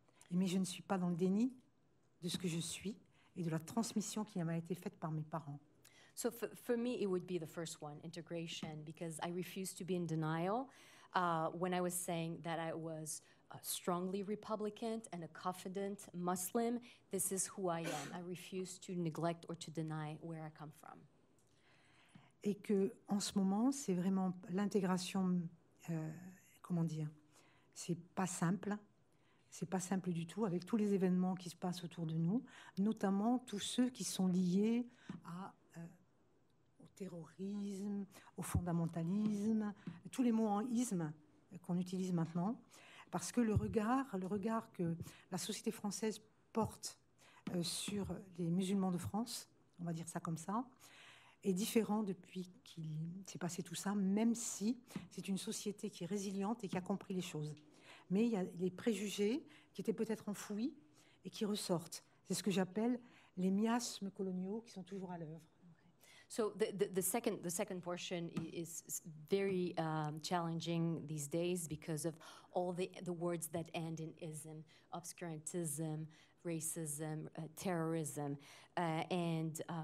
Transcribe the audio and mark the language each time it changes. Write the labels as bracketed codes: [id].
[fr] Mais je ne suis pas dans le déni de ce que je suis et de la transmission qui m'a été faite par mes parents. [en] So for me, it would be the first one, integration, because I refuse to be in denial when I was saying that I was a strongly Republican and a confident Muslim. This is who I am. I refuse to neglect or to deny where I come from. [fr] Et que en ce moment, c'est vraiment l'intégration, comment dire, c'est pas simple. C'est pas simple du tout avec tous les événements qui se passent autour de nous, notamment tous ceux qui sont liés à, au terrorisme, au fondamentalisme, tous les mots en isme qu'on utilise maintenant. Parce que le regard que la société française porte sur les musulmans de France, on va dire ça comme ça, est différent depuis qu'il s'est passé tout ça, même si c'est une société qui est résiliente et qui a compris les choses. Mais il y a les préjugés qui étaient peut-être enfouis et qui ressortent. C'est ce que j'appelle les miasmes coloniaux qui sont toujours à l'œuvre. [en] So the second portion is very challenging these days because of all the words that end in ism, obscurantism, racism, terrorism, and